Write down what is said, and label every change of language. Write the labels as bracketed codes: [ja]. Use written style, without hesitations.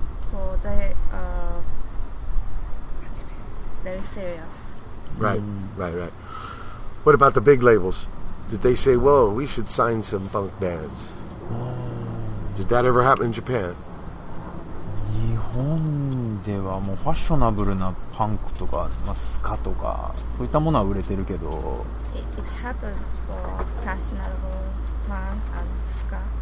[en] So they are very serious. Right. What about the big labels? Did they say, whoa, we should sign some punk bands? Did that ever happen in Japan? [ja] 日本ではもうファッショナブルなパンクとか、スカとか、そういったものは売れてるけど。 [en] It happens for fashionable punk and ska.